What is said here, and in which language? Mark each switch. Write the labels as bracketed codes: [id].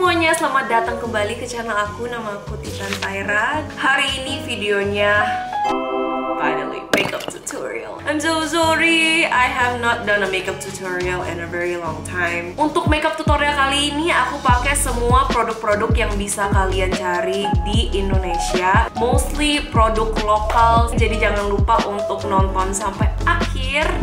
[id] Selamat datang kembali ke channel aku, nama aku Titan Tyra. Hari ini videonya finally makeup tutorial. [en] I'm so sorry, I have not done a makeup tutorial in a very long time. [id] Untuk makeup tutorial kali ini aku pakai semua produk-produk yang bisa kalian cari di Indonesia, mostly produk lokal. Jadi jangan lupa untuk nonton sampai akhir.